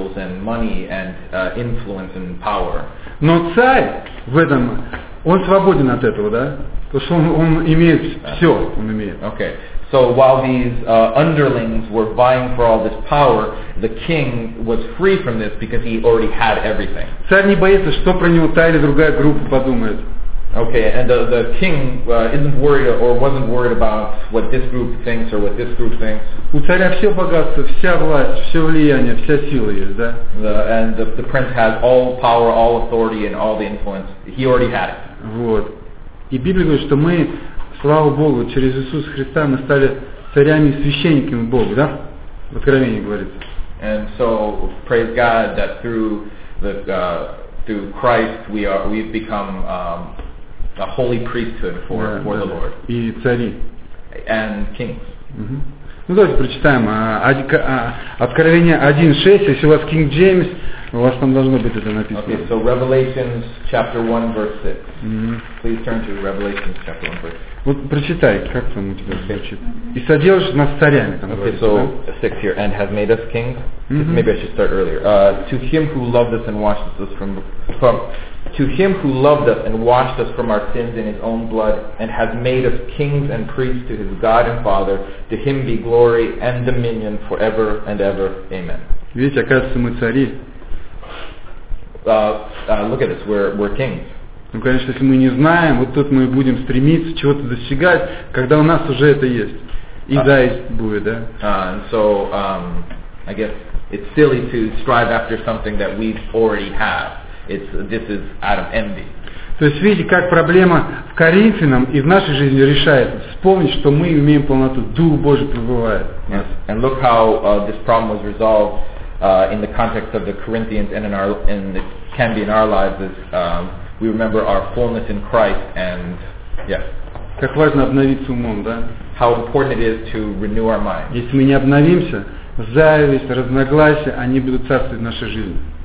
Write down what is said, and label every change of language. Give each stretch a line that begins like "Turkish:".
English: So, of course, these rulers, what they were trying to do was acquire titles and money and influence and power.
Russian: Но царь в этом он свободен от этого, да? Потому что он имеет все, он имеет.
English: Okay. So while these underlings were vying for all this power, the king was free from this because he already had everything.
Russian: Царь не боится, что про него та или другая группа подумает.
English: Okay, and the king isn't worried or wasn't worried about what this group thinks or what this group thinks.
Russian: У царя все богатство, вся власть, все влияние, вся сила есть, да?
English: And the prince has all power, all authority, and all the influence. He already had it.
Russian: Вот. И Библия говорит, что мы, слава Богу, через Иисуса Христа мы стали царями и священниками Бога, да? В Откровении говорится.
English: And so, praise God that through Christ we've become a holy priesthood for the Lord.
Russian: И цари.
English: And kings.
Russian: Ну давайте прочитаем Откровение 1:6. Если у вас King James, у вас там должно быть это написано.
English: Okay, so Revelations chapter 1:6. Please turn. turn to Revelation chapter 1 verse.
Russian: Вот прочитай, как там у тебя звучит. И соделаешь нас царями, там говорится. So, да?
English: Six here, and has made us kings. Mm-hmm. Maybe I should start earlier. To him who loved us and washed us from to him who loved us and washed us from our sins in his own blood, and has made us kings and priests to his God and Father, to him be glory and dominion forever and ever. Amen.
Russian: Видите, оказывается, мы цари.
English: Look at this, we're kings.
Russian: Ну, конечно, если мы не знаем, вот тут мы будем стремиться чего-то достигать, когда у нас уже это есть. И зависть будет, да?
English: I guess it's silly to strive after something that we already have. This is out of envy.
Russian: То есть видите, как проблема в Коринфянам и в нашей жизни решается. Вспомнить, что мы имеем полноту. Дух Божий пребывает.
English: Yes. And look how this problem was resolved in the context of the Corinthians and it can be in our lives as we remember our fullness in Christ and yes.
Russian: Как важно обновиться умом, да?
English: How important it is to renew our minds.
Russian: Если мы не обновимся, зависть, разногласия, они будут царствовать в нашей жизни.